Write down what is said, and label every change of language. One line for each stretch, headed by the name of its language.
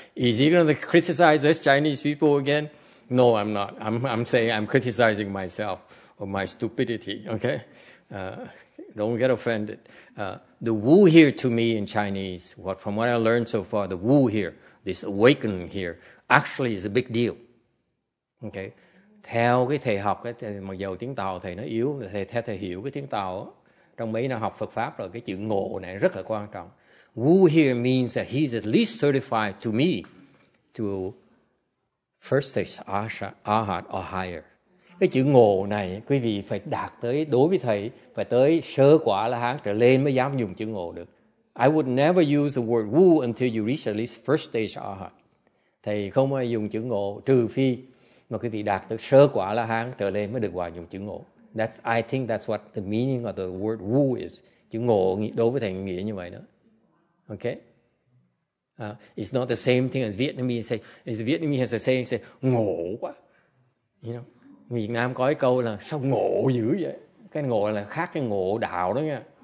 English: Is he going to criticize us Chinese people again? No, I'm not. I'm saying I'm criticizing myself or my stupidity, okay? Don't get offended. The wu here to me in Chinese, from what I learned so far, the wu here, this awakening here, actually is a big deal. Okay?
Vietnamese: Theo cái thầy học, mặc dù tiếng Tàu thầy nó yếu, thầy hiểu cái tiếng Tàu, trong mấy năm học Phật Pháp rồi, cái chữ ngộ này rất là quan trọng.
English: Wu here means that he's at least certified to me to first stage arhat or higher.
Vietnamese: Cái chữ ngộ này quý vị phải đạt tới, đối với thầy phải tới sơ quả la hán trở lên mới dám dùng chữ ngộ được.
English: I would never use the word wu until you reach at least first stage arhat.
Vietnamese: Thầy không ai dùng chữ ngộ trừ phi mà quý vị đạt tới sơ quả la hán trở lên mới được dùng chữ ngộ.
English: I think that's what the meaning of the word wu is.
Vietnamese: Chữ ngộ đối với thầy nghĩa như vậy đó.
English: Okay? It's not the same thing as Vietnamese say. The Vietnamese has a saying, say,
Vietnamese: ngộ quá.
English: You know?
Vietnamese: Việt Nam có cái câu là sao ngộ dữ vậy? Cái ngộ là khác cái ngộ đạo đó nha.